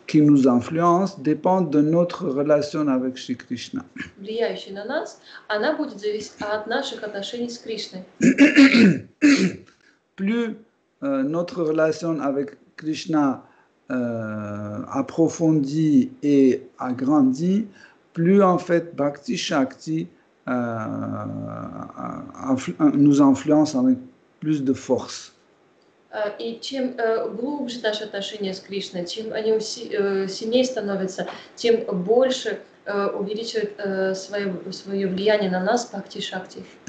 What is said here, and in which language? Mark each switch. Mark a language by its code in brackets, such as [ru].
[fr] qui nous influence, dépend de notre relation avec Shri Krishna. [ru] Влияющая на нас, она будет зависеть от наших отношений с Кришной. [fr] Plus notre relation avec Krishna approfondit et agrandit, plus en fait Bhakti Shakti nous influence avec plus de force. [ru] И чем глубже наши отношения с Кришной, чем они сильнее становятся, тем больше увеличивает свое влияние на нас, бхакти шакти.